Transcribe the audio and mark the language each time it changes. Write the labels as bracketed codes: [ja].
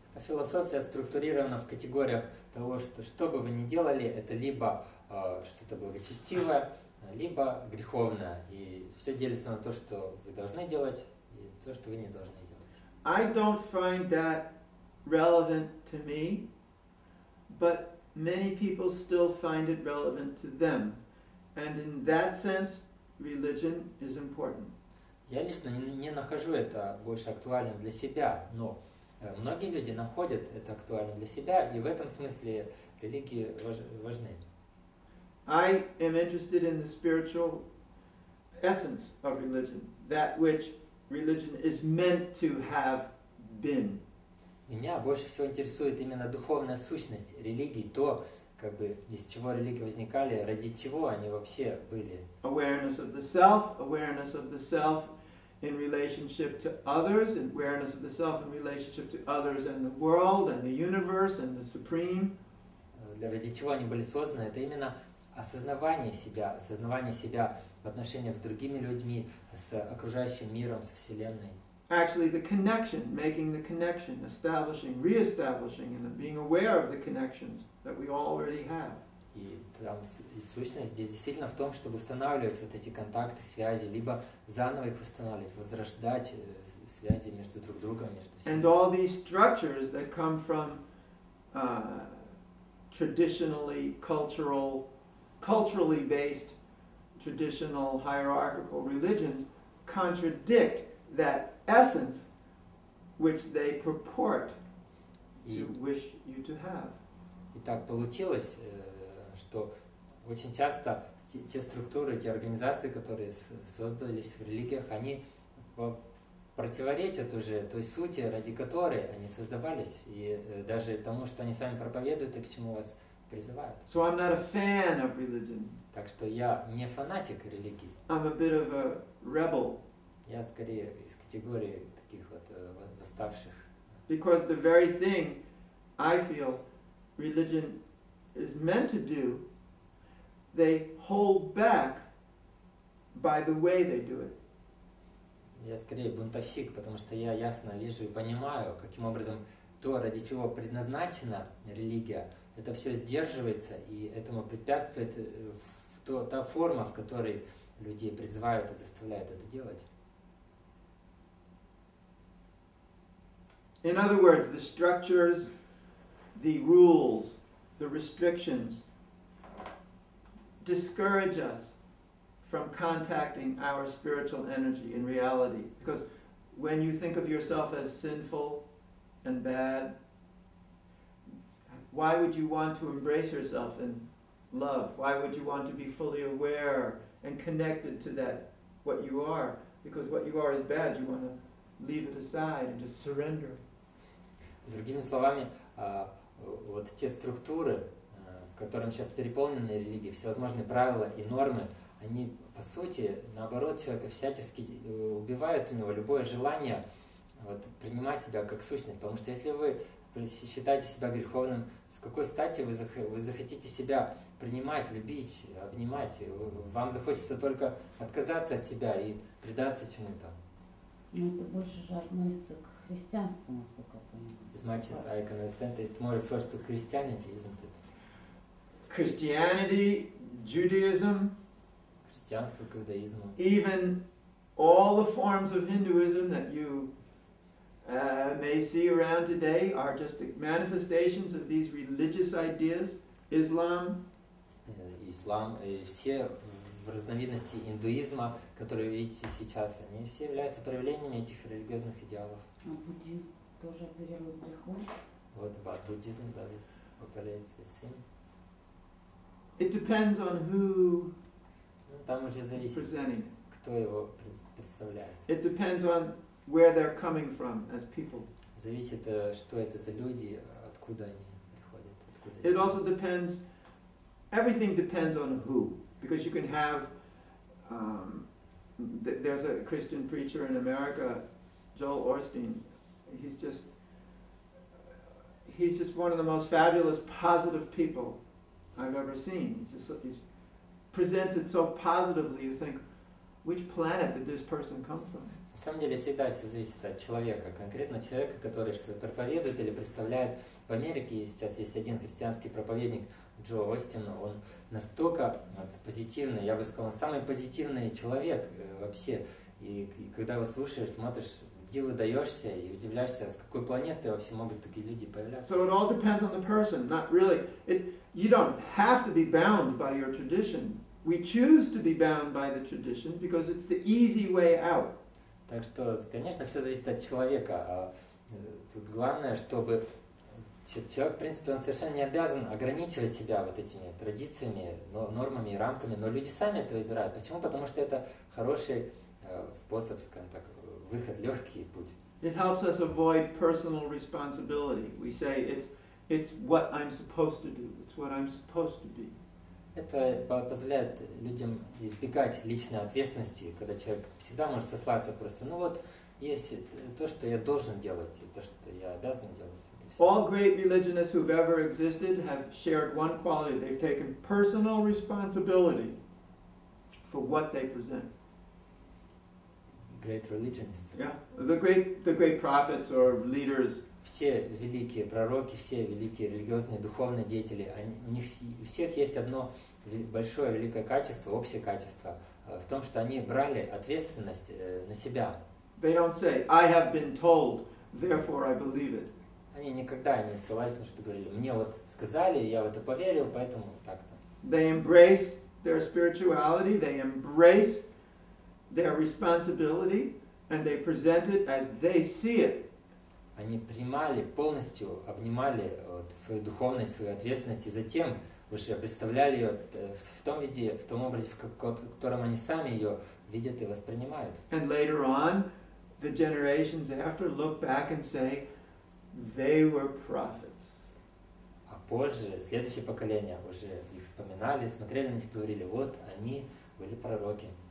[ru] А философия структурирована в категориях того, что что бы вы ни делали, это либо что-то благочестивое, либо греховное, и все делится на то, что вы должны делать, и то, что вы не должны делать. [en] I don't find that relevant to me, but many people still find it relevant to them, and in that sense, religion is important. [ru] Я лично не нахожу это больше актуальным для себя, но многие люди находят это актуальным для себя, и в этом смысле религии важны. [en] I am interested in the spiritual essence of religion, that which religion is meant to have been. [ru] Меня больше всего интересует именно духовная сущность религии, то, как бы, из чего религии возникали, ради чего они вообще были. [en] Awareness of the self in relationship to others, and awareness of the self in relationship to others and the world and the universe and the supreme. [ru] Для чего они были созданы? Это именно осознавание себя в отношениях с другими людьми, с окружающим миром, со вселенной. [en] Actually, the connection, making the connection, establishing, re-establishing, and being aware of the connections that we already have. [ru] И там сущность здесь действительно в том, чтобы устанавливать вот эти контакты, связи, либо заново их устанавливать, возрождать связи между друг другом, между всеми. [en] And all these structures that come from traditionally culturally based traditional hierarchical religions contradict that essence which they purport to wish you to have. [ru] И так получилось, что очень часто те структуры, те организации, которые создались в религиях, они противоречат уже той сути, ради которой они создавались, и даже тому, что они сами проповедуют и к чему вас призывают. [en] So I'm not a fan of religion. [ru] Так что я не фанатик религии. [en] I'm a bit of a rebel. [ru] Я скорее из категории таких вот восставших. [en] Because the very thing I feel religion is meant to do, they hold back by the way they do it. [ru] Я скорее бунтовщик, потому что я ясно вижу и понимаю, каким образом то, ради чего предназначена религия, это все сдерживается, и этому препятствует та форма, в которой людей призывают и заставляют это делать. [en] In other words, the structures, the rules, the restrictions discourage us from contacting our spiritual energy in reality. Because when you think of yourself as sinful and bad, why would you want to embrace yourself in love? Why would you want to be fully aware and connected to that, what you are? Because what you are is bad, you want to leave it aside and just surrender. [ru] Другими словами, вот те структуры, которым сейчас переполнены религии, всевозможные правила и нормы, они по сути, наоборот, человека всячески убивают у него любое желание вот, принимать себя как сущность. Потому что если вы считаете себя греховным, с какой стати вы захотите себя принимать, любить, обнимать? Вам захочется только отказаться от себя и предаться чему-то. Но это больше же относится к христианству, насколько я понимаю. [en] As much as I can understand, it more refers to Christianity, isn't it? Christianity, Judaism. [ru] Христианство, иудаизм. [en] Even all the forms of Hinduism that you may see around today are just manifestations of these religious ideas. [ru] Ислам. Ислам и все в разновидности индуизма, которые вы видите сейчас, они все являются проявлениями этих религиозных идеалов. А буддизм тоже оперирует грехом. Вот, буддизм [en] does it operate with sin. It depends on who. [ru] Там уже зависит, кто его представляет. [en] It depends on where they're coming from as people. Зависит, что это за люди, откуда они приходят, откуда. It also depends. Everything depends on who, because you can have. There's a Christian preacher in America, Joel Osteen. He's just one of the most fabulous positive people I've ever seen. Presents it so positively, you think, which planet did this person come from? [ru] На самом деле, всегда все зависит от человека, конкретно человека, который что-то проповедует или представляет. В Америке сейчас есть один христианский проповедник Джо Остин. Он настолько позитивный, я бы сказал, самый позитивный человек вообще. И когда его слушаешь, смотришь, диву даешься и удивляешься, с какой планеты вообще могут такие люди появляться. [en] So it all depends on the person, not really. You don't have to be bound by your tradition. We choose to be bound by the tradition because it's the easy way out. [ru] Так что, конечно, все зависит от человека. Тут главное, чтобы человек, в принципе, он совершенно не обязан ограничивать себя вот этими традициями, нормами и рамками. Но люди сами это выбирают. Почему? Потому что это хороший способ, скажем так, выход, легкий путь. [en] It helps us avoid personal responsibility. We say it's what I'm supposed to do. It's what I'm supposed to be. [ru] Это позволяет людям избегать личной ответственности, когда человек всегда может сослаться просто, ну вот, есть то, что я должен делать, и то, что я обязан делать. [en] All great religionists who've ever existed have shared one quality. They've taken personal responsibility for what they present. Great religionists. Yeah, the great prophets or leaders. [ru] Все великие пророки, все великие религиозные, духовные деятели, у них у всех есть одно большое, великое качество, общее качество, в том, что они брали ответственность на себя. [en] They don't say, I have been told, therefore I believe it. [ru] Они никогда не ссылались на что говорили. Мне вот сказали, я в это поверил, поэтому так-то. [en] They embrace their spirituality, they embrace their responsibility, and they present it as they see it. [ru] Они принимали полностью, обнимали вот, свою духовность, свою ответственность, и затем уже представляли ее в том виде, в том образе, в котором они сами ее видят и воспринимают. [en] And later on, the generations after look back and say, they were prophets. [ru] А позже, следующее поколение уже их вспоминали, смотрели на них и говорили, вот они были пророки.